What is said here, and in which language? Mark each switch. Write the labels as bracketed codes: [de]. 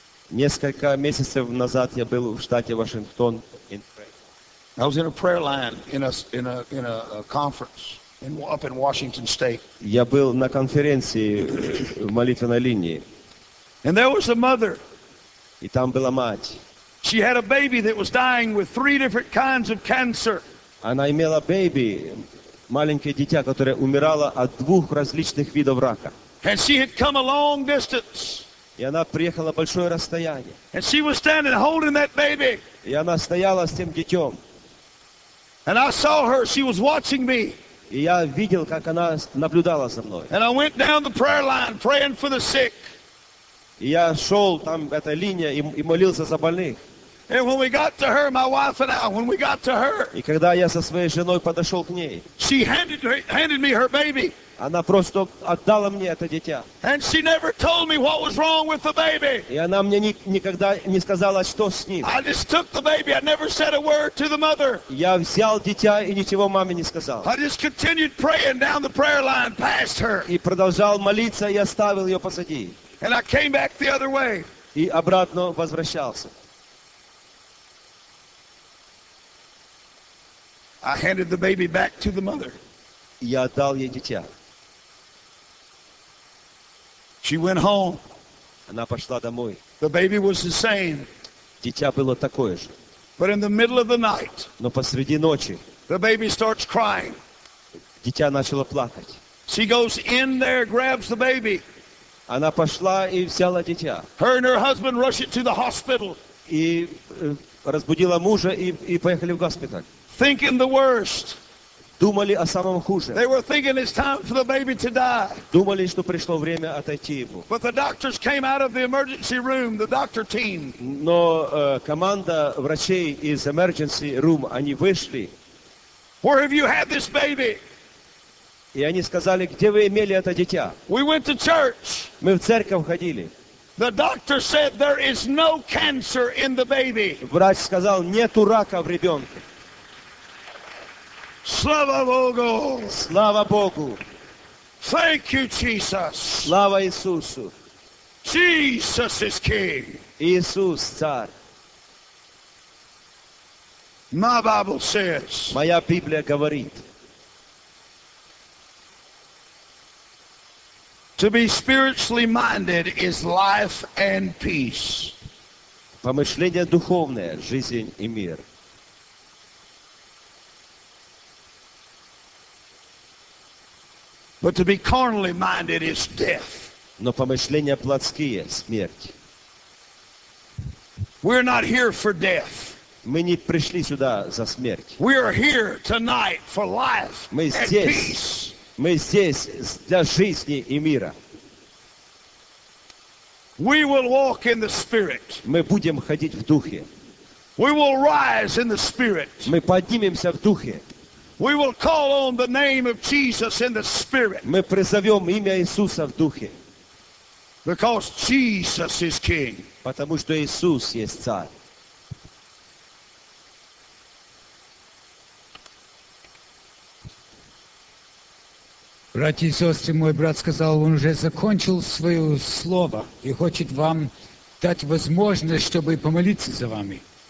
[ru] Несколько месяцев назад я был в штате Вашингтон. [en] I was in a prayer line in a conference up in Washington State. [ru] Я был на конференции в молитвенной линии. [en] And there was a mother. [ru] И там была мать. [en] She had a baby that was dying with three different kinds of cancer. [ru] Она имела baby. Маленькое дитя, которое умирало от двух различных видов рака. [en] And she had come a long distance. [ru] И она приехала большое расстояние. [en] And she was standing holding that baby. [ru] И она стояла с тем детем. [en] And I saw her, she was watching me. [ru] И я видел, как она наблюдала за мной. [en] And I went down the prayer line praying for the sick. [ru] И я шел там, эта линия, и молился за больных. [en] And when we got to her, my wife and I, when we got to her, [ru] и когда я со своей женой подошел к ней, [en] she handed me her baby. [ru] Она просто отдала мне это дитя. [en] And she never told me what was wrong with the baby. [ru] И она мне никогда не сказала, что с ним. [en] I just took the baby. I never said a word to the mother. [ru] Я взял дитя и ничего маме не сказал. [en] I just continued praying down the prayer line past her. [ru] И продолжал молиться и оставил ее позади. [en] And I came back the other way. [ru] И обратно возвращался. [en] I handed the baby back to the mother. [ru] Я отдал ей дитя. [en] She went home. [ru] Она пошла домой. [en] The baby was the same. [ru] Дитя было такое же. [en] But in the middle of the night. [ru] Но посреди ночи. [en] The baby starts crying. [ru] Дитя начало плакать. [en] She goes in there, grabs the baby. [ru] Она пошла и взяла дитя. [en] Her and her husband rush it to the hospital. [ru] И разбудила мужа и поехали в госпиталь. [en] Thinking the worst. [ru] Думали о самом худшем. [en] They were thinking it's time for the baby to die. [ru] Думали, что пришло время отойти ему. [en] But the doctors came out of the emergency room, the doctor team. [ru] Но команда врачей из [en] emergency room, [ru] они вышли. [en] Where have you had this baby? [ru] И они сказали, где вы имели это дитя? [en] We went to church. [ru] Мы в церковь ходили. [en] The doctor said there is no cancer in the baby. [ru] Врач сказал, нету рака в ребенке. Слава Богу! Слава Богу! [en] Thank you, Jesus! [ru] Слава Иисусу! [en] Jesus is King! [ru] Иисус Царь! [en] My Bible says, [ru] моя Библия говорит, [en] to be spiritually minded is life and peace. [ru] Помышление духовное, жизнь и мир. [en] But to be carnally minded is death. [ru] Но помышления плотские – смерть. [en] We're not here for death. [ru] Мы не пришли сюда за смерть. [en] We are here tonight for life and peace. [ru] Мы здесь для жизни и мира. [en] We will walk in the Spirit. [ru] Мы будем ходить в духе. [en] We will rise in the Spirit. [ru] Мы поднимемся в духе. [en] We will call on the name of Jesus in the Spirit. [ru] Мы призовем имя Иисуса в духе. [en] Because Jesus is King. [ru] Потому что Иисус есть царь. Братья и сестры, мой брат сказал, он уже закончил свое слово и хочет вам дать возможность, чтобы помолиться за вами.